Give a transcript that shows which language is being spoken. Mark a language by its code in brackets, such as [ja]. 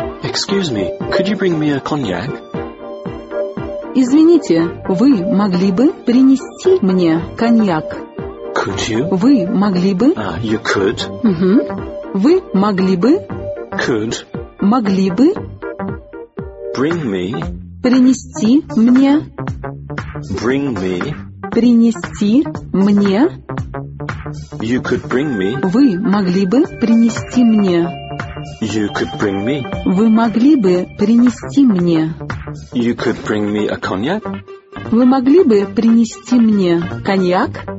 [en] Excuse me, could you bring me a cognac? [ru] Извините, вы могли бы принести мне коньяк? [en] Could you? [ru] Вы могли бы? [en] You could. [ru] Угу. Вы могли бы? [en] Could. [ru] Могли бы? [en] Bring me. [ru] Принести мне? [en] Bring me. [ru] Принести мне. [en] You could bring me. [ru] Вы могли бы принести мне. [en] You could bring me. [ru] Вы могли бы принести мне. [en] You could bring me a cognac. [ru] Вы могли бы принести мне коньяк?